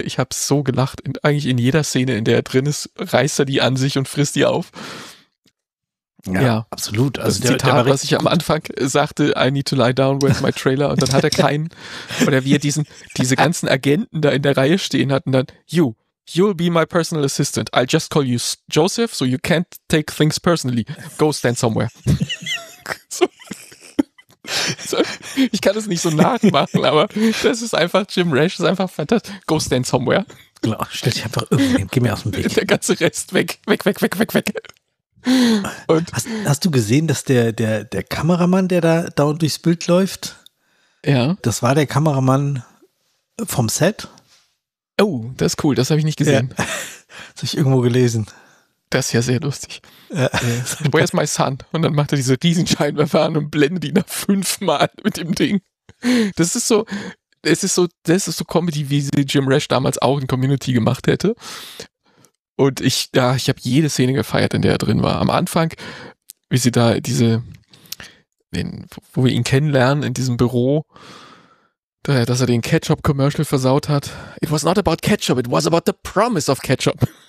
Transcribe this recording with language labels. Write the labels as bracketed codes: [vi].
[de] Ich habe so gelacht. Eigentlich in jeder Szene, in der er drin ist, reißt er die an sich und frisst die auf. Ja, absolut. Also das Zitat, was ich am Anfang sagte, [en] I need to lie down with my trailer, [de] und dann hat er keinen. Oder wie er diese ganzen Agenten da in der Reihe stehen hat, und dann, [en] you'll be my personal assistant. I'll just call you Joseph, so you can't take things personally. Go stand somewhere. [de] Ich kann es nicht so nachmachen, aber das ist einfach, Jim Rash ist einfach fantastisch. [en] Go stand somewhere. [de] Genau, stell dich einfach irgendwo hin, geh mir aus dem Weg. Der ganze Rest weg. Und hast du gesehen, dass der Kameramann, der da dauernd durchs Bild läuft, ja, das war der Kameramann vom Set? Oh, das ist cool, das habe ich nicht gesehen. Ja. Das habe ich irgendwo gelesen. Das ist ja sehr lustig. Ja. [en] Where's my son? [de] Und dann macht er diese Riesenscheinwerfer an und blendet ihn da fünfmal mit dem Ding. Das ist so Comedy, wie sie Jim Rash damals auch in Community gemacht hätte. Und ich habe jede Szene gefeiert, in der er drin war. Am Anfang, wie sie da wo wir ihn kennenlernen, in diesem Büro, dass er den Ketchup-Commercial versaut hat. [en] It was not about Ketchup, it was about the promise of Ketchup.